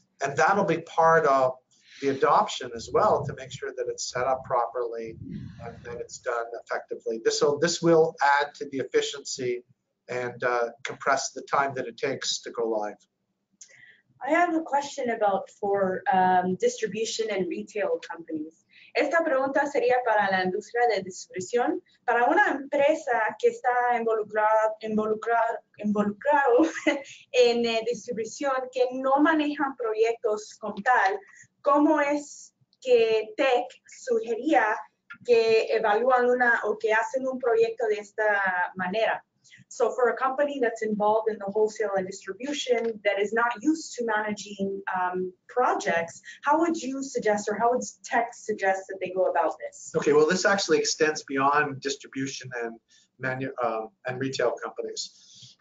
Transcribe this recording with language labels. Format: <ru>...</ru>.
<en>And that'll be part of the adoption as well to make sure that it's set up properly and that it's done effectively. This will add to the efficiency and compress the time that it takes to go live. I have a question about for distribution and retail companies.</en> <es>Esta pregunta sería para la industria de distribución, para una empresa que está involucrado en distribución que no manejan proyectos como tal, ¿cómo es que TEC sugería que evalúan una o que hacen un proyecto de esta manera?</es> <en>So for a company that's involved in the wholesale and distribution that is not used to managing projects, how would you suggest or how would tech suggest that they go about this? Okay, well, this actually extends beyond distribution and retail companies.</en>